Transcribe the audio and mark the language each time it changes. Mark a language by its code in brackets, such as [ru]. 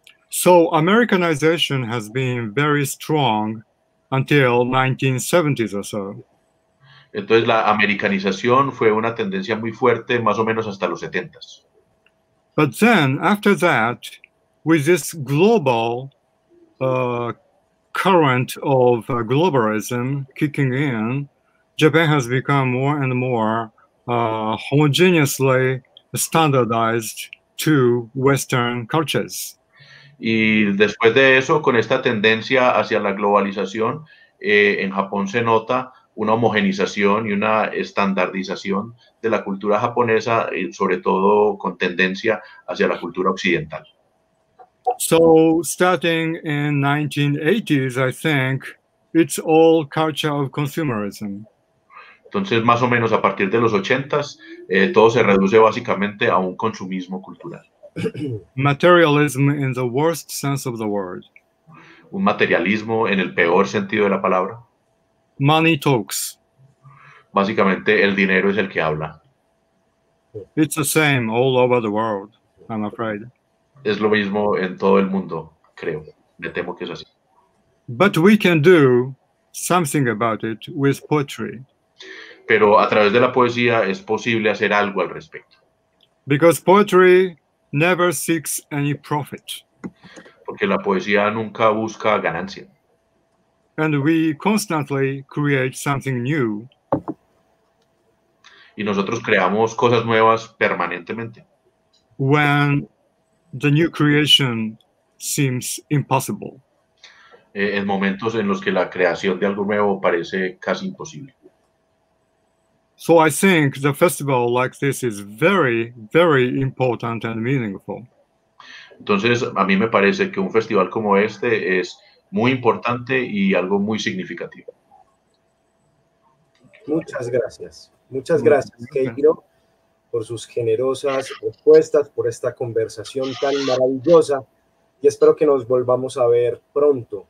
[en] So Americanization has been very strong until 1970s or so. [es] Entonces la americanización fue una tendencia muy fuerte más o menos hasta los 70s. [en] But then after that, with this global current of globalism kicking in, Japan has become more and more homogeneously standardized to Western cultures. [es] Y después de eso, con esta tendencia hacia la globalización, en Japón se nota una homogenización y una estandarización de la cultura japonesa, sobre todo con tendencia hacia la cultura occidental. [en] So, starting in 1980s, I think, it's all culture of consumerism. [es] Entonces, más o menos a partir de los 80s, todo se reduce básicamente a un consumismo cultural. [en] Materialism in the worst sense of the word. [es] Un materialismo en el peor sentido de la palabra. [en] Money talks. [es] Básicamente, el dinero es el que habla. [en] It's the same all over the world, I'm afraid. [es] Es lo mismo en todo el mundo, creo. Me temo que es así. [en] But we can do something about it with poetry. [es] Pero a través de la poesía es posible hacer algo al respecto. [en] Because poetry never seeks any profit. [es] Porque la poesía nunca busca ganancia. [en] And we constantly create something new. [es] Y nosotros creamos cosas nuevas permanentemente. [en] When the new creation seems impossible. [es] En momentos en los que la creación de algo nuevo parece casi imposible. [en] So I think the festival like this is very, very important and meaningful. [es] Entonces, a mí me parece que un festival como este es muy importante y algo muy significativo. Muchas gracias. Muchas gracias, Keijiro, por sus generosas respuestas, por esta conversación tan maravillosa, y espero que nos volvamos a ver pronto.